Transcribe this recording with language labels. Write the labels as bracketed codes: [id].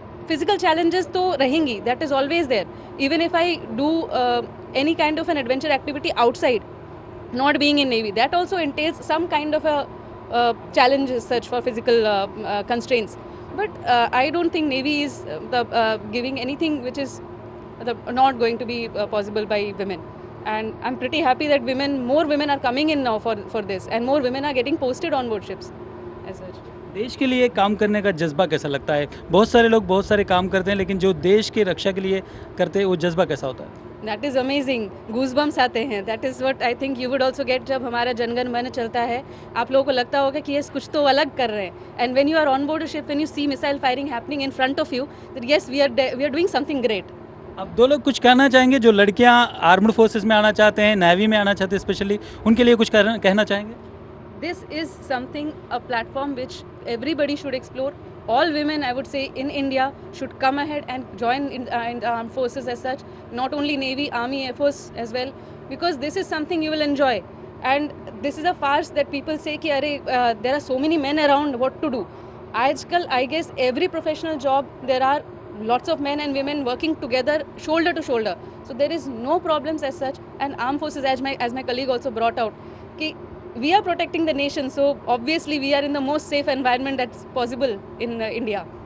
[en] Physical challenges to rahengi, that is always there. Even if I do any kind of an adventure activity outside, not being in Navy, that also entails some kind of a challenge search for physical constraints. But I don't think Navy is giving anything which is not going to be possible by women. And I'm pretty happy that women, more women are coming in now for this, and more women are getting posted on board ships as such. [hi] देश के लिए काम करने का जज्बा कैसा लगता है? बहुत सारे लोग बहुत सारे काम करते हैं, लेकिन जो देश की रक्षा के लिए करते हैं वो जज्बा कैसा होता है? [en] That is amazing. [hi] Goosebumps आते हैं. [en] That is what I think you would also get [hi] जब हमारा जनगण मन चलता है. आप लोगों को लगता होगा कि यस, कुछ तो अलग कर रहे हैं. [en] And when you are on board a ship, when you see missile firing happening in front of you, that yes, we are doing something great. [hi] अब दो लोग कुछ कहना चाहेंगे जो लड़कियां आर्मड फोर्सेस में आना चाहते हैं, नेवी में आना चाहते हैं स्पेशली, उनके लिए कुछ कहना चाहेंगे? [en] This is something a platform which everybody should explore. All women I would say in India should come ahead and join in the arm forces as such, not only navy, army, air force as well, because this is something you will enjoy. And this is a farce that people say [hi] कि अरे [en] There are so many man around, what to do. आजकल I guess every professional job there are lots of men and women working together shoulder to shoulder, so there is no problems as such. And armed forces, as my colleague also brought out, ki we are protecting the nation, so obviously we are in the most safe environment that's possible in India.